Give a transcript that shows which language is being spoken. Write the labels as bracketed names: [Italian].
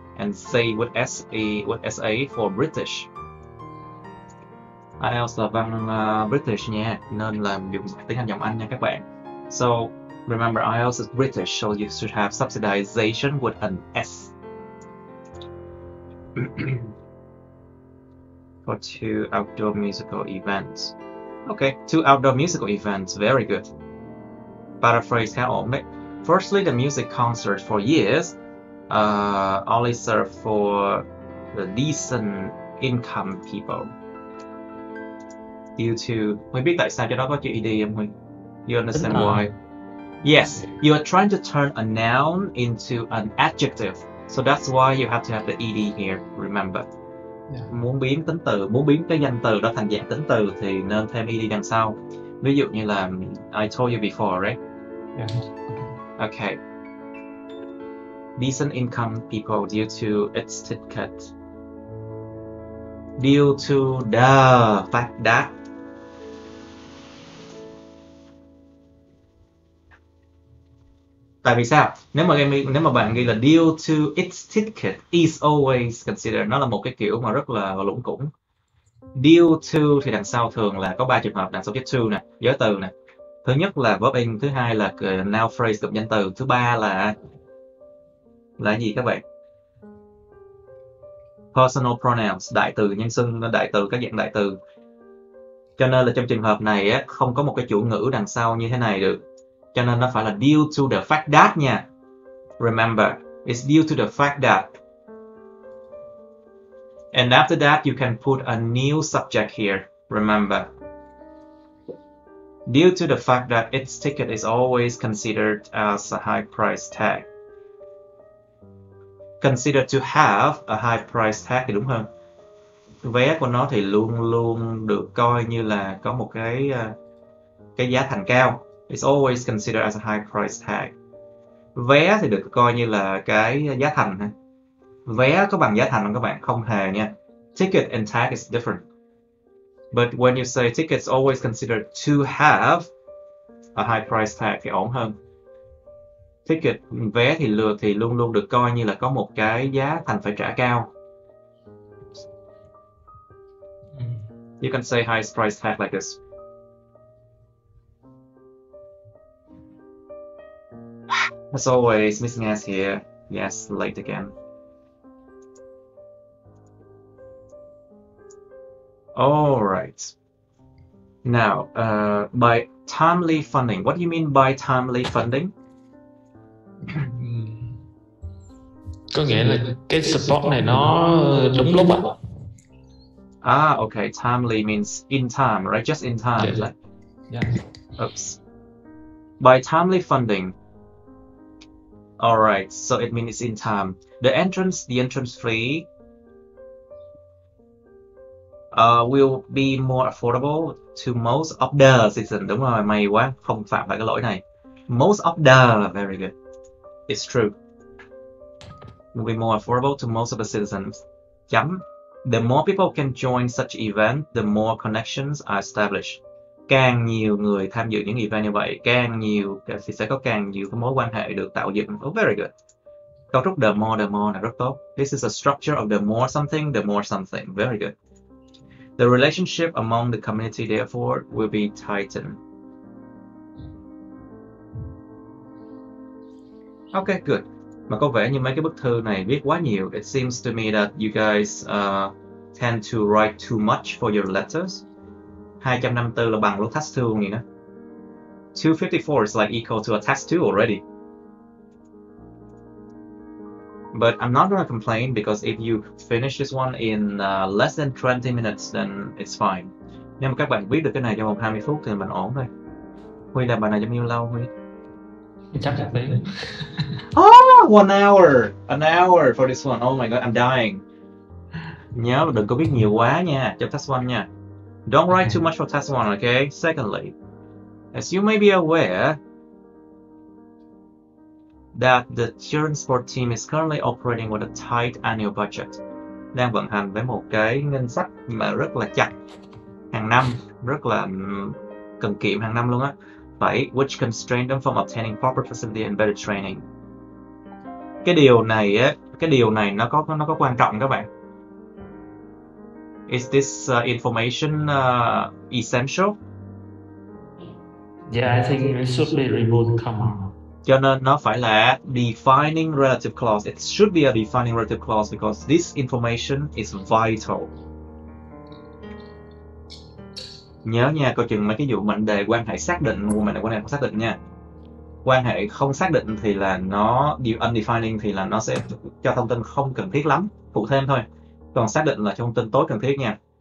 [English] And say with SA, with SA for British. [Vietnamese] IELTS là văn British nha. Nên là dùng tiếng Anh giọng Anh nha các bạn. [English] So, remember IELTS is British, so you should have subsidization with an S. For two outdoor musical events. Okay, two outdoor musical events, very good. Paraphrase how old? Firstly, the music concert for years only serve for the decent income people. Due to... [Vietnamese] Mình biết tại sao cho nó có chữ ED không Mình? [English] You understand why? Yes, you are trying to turn a noun into an adjective. So that's why you have to have the ED here, remember. Yeah. [Vietnamese] Muốn biến tính từ, muốn biến cái danh từ đó thành dạng tính từ thì nên thêm ED đằng sau. Ví dụ như là [English] I told you before, right? Yeah. Okay. Decent income people due to its ticket. Due to the fact that. [Vietnamese] Tại vì sao? Nếu mà bạn ghi là [English] due to its ticket is always considered, [Vietnamese] nó là một cái kiểu mà rất là lủng củng. Due to thì đằng sau thường là có ba trường hợp, đằng sau cái to nè, giới từ nè. Thứ nhất là verb in, thứ hai là noun phrase cụm danh từ, thứ ba là gì các bạn? [English] Personal pronouns, [Vietnamese] đại từ nhân xưng, đại từ các dạng đại từ. Cho nên là trong trường hợp này á không có một cái chủ ngữ đằng sau như thế này được. Cho nên nó phải là [English] due to the fact that [Vietnamese] nha. [English] Remember, it's due to the fact that. And after that, you can put a new subject here. Remember. Due to the fact that its ticket is always considered as a high price tag. Considered to have a high price tag [Vietnamese] thì đúng hơn. Vé của nó thì luôn luôn được coi như là có một cái giá thành cao. [English] It's always considered as a high price tag. [Vietnamese] Vé thì được coi như là cái giá thành. Vé có bằng giá thành không các bạn? Không hề nha. [English] Ticket and tag is different. But when you say ticket's always considered to have a high price tag [Vietnamese] thì ổn hơn. Ticket, vé thì lừa thì luôn luôn được coi như là có một cái giá thành phải trả cao. [English] You can say high price tag like this. As always, Miss Ness here. Yes, late again. Alright. Now, by timely funding. What do you mean by timely funding? [Vietnamese] Có nghĩa là cái support này nó đúng lúc ạ. [English] Ah, okay. Timely means in time, right? Just in time. Yeah. Yeah. Oops. By timely funding. Alright, so it means it's in time. The entrance fee will be more affordable to most of the citizens. [Vietnamese] Đúng rồi, may quá, không phạm phải cái lỗi này. [English] Most of the, very good. It's true. Will be more affordable to most of the citizens. Chấm. The more people can join such event, the more connections are established. [Vietnamese] Càng nhiều người tham dự những event như vậy, càng nhiều thì sẽ có càng nhiều cái mối quan hệ được tạo dựng. [English] Oh, very good. [Vietnamese] Cấu trúc the more là rất tốt. [English] This is a structure of the more something, very good. The relationship among the community therefore will be tightened. Okay, good. [Vietnamese] Mà có vẻ như mấy cái bức thư này viết quá nhiều. [English] It seems to me that you guys tend to write too much for your letters. [Vietnamese] 254 là bằng lúc test 2 không nhỉ? [English] 254 is like equal to a test 2 already. But I'm not gonna complain because if you finish this one in less than 20 minutes, then it's fine. [Vietnamese] Nhưng mà các bạn biết được cái này trong vòng 20 phút thì mình ổn thôi. Huy làm bài này trong bao nhiêu lâu Huy? Chắc là đấy. [English] Oh, one hour for this one. Oh my god, I'm dying. [Vietnamese] Nhớ đừng có viết nhiều quá nha, cho test one nha. [English] Don't write too much for test one, okay? Secondly, as you may be aware, that the current sport team is currently operating with a tight annual budget. [Vietnamese] Đang vận hành với một cái ngân sách mà rất là chặt hàng năm, rất là cần kiệm hàng năm luôn á. Phải, [English] which constrain them from obtaining proper facility and better training. [Vietnamese] Cái điều này á, cái điều này nó có quan trọng các bạn. [English] Is this information essential? Yeah, I think it should be removed. Come [Vietnamese] Cho nên nó phải là [English] defining relative clause. It should be a defining relative clause because this information is vital. [Vietnamese] Nhớ nha, coi chừng mấy cái vụ mệnh đề quan hệ xác định, mệnh đề quan hệ không xác định nha. Quan hệ không xác định thì là nó undefining thì là nó sẽ cho thông tin không cần thiết lắm, phụ thêm thôi. Còn xác định là thông tin tối cần thiết nha.